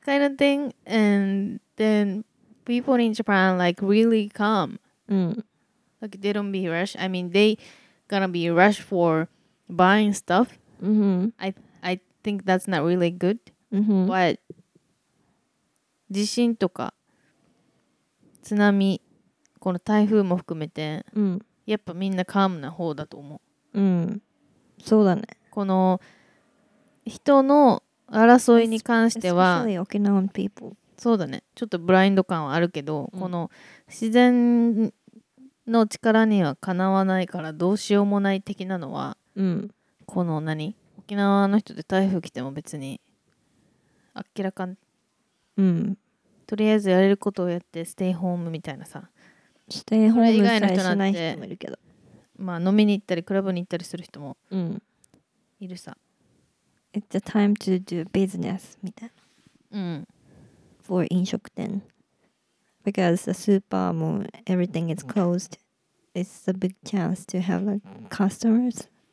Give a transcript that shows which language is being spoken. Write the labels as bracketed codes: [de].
[en] kind of thing and then people in Japan like really calm like they don't be rush I mean they gonna be rush for buying stuff I think that's not really good but [ja] 地震とか津波この台風も含めて、やっぱみんなカームな方だと思う、そうだねこの人の争いに関しては、 [en] especially Okinawan people. [ja] そうだね。ちょっとブラインド感はあるけど、この自然の力にはかなわないからどうしようもない的なのは、この何？沖縄の人で台風来ても別に明らかん、とりあえずやれることをやってステイホームみたいなさ、ステイホームさえしない人もいるけど、まあ飲みに行ったりクラブに行ったりする人もいるさ。 [en] It's a time to do business, [ja] みたいな。 [en] For [ja] 飲食店. [en] Because the super, everything is closed. it's a big chance to have like customers.